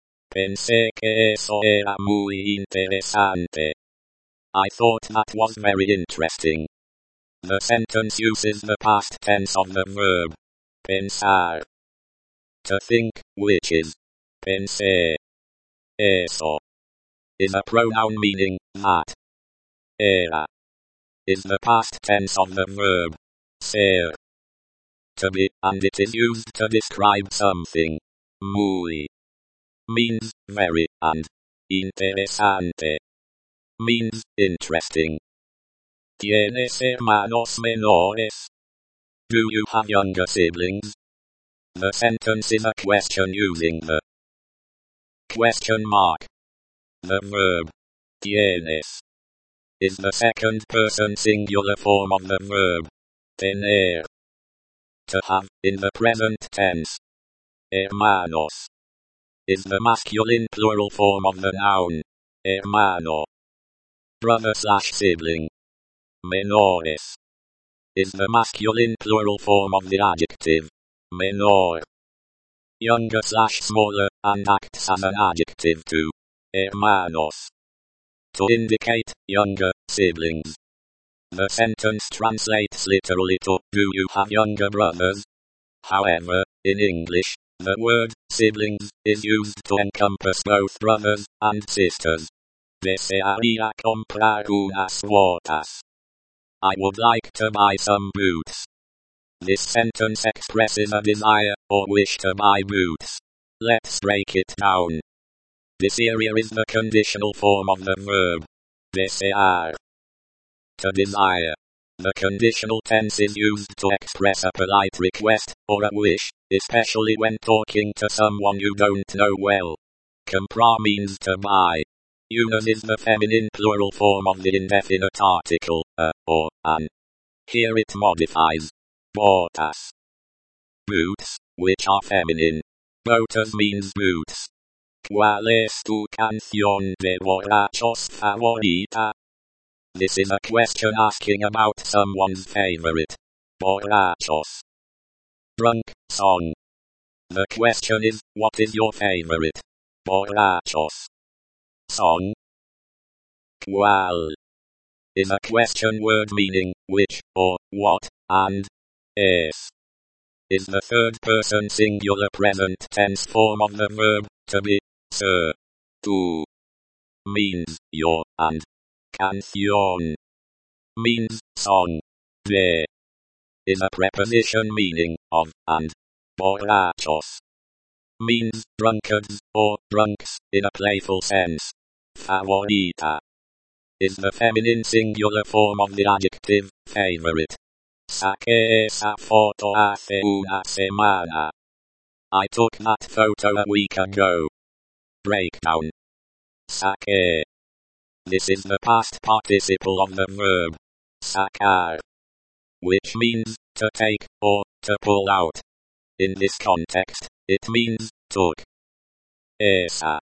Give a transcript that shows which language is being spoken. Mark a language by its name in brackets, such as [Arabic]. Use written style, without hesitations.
[Spanish] Pensé que eso era muy interesante. [English] I thought that was very interesting. The sentence uses the past tense of the verb. Pensar. To think, which is. Pensé. Eso. Is a pronoun meaning, that. Era. Is the past tense of the verb. Ser. To be, and it is used to describe something. Muy. Means, very, and. Interesante. Means, interesting. [Spanish] ¿Tienes hermanos menores? [English] Do you have younger siblings? The sentence is a question using the. Question mark. The verb, tienes, is the second person singular form of the verb, tener, to have, in the present tense. Hermanos, is the masculine plural form of the noun, hermano, brother slash sibling. Menores, is the masculine plural form of the adjective, menor, younger slash smaller, and acts as an adjective to hermanos, to indicate younger siblings. The sentence translates literally to, do you have younger brothers? However, in English, the word siblings is used to encompass both brothers and sisters. [Spanish] Desearía comprar unas botas. [English] I would like to buy some boots. This sentence expresses a desire or wish to buy boots. Let's break it down. Desearía is the conditional form of the verb desear, to desire. The conditional tense is used to express a polite request or a wish, especially when talking to someone you don't know well. Comprar means to buy. Unas is the feminine plural form of the indefinite article, a, or, an. Here it modifies botas, boots, which are feminine. Botas means boots. [Spanish] ¿Cuál es tu canción de borrachos favorita? [English] This is a question asking about someone's favorite borrachos, drunk song. The question is, what is your favorite borrachos song? ¿Cuál? Is a question word meaning which or what, and es is the third person singular present tense form of the verb to be. Sir, tú means your, and canción means song. De is a preposition meaning of, and borrachos means drunkards or drunks in a playful sense. Favorita is the feminine singular form of the adjective favorite. [Spanish] Saqué esa foto hace una semana. [English] I took that photo a week ago. Breakdown. Saqué. This is the past participle of the verb sacar, which means to take or to pull out. In this context, it means took. Esa.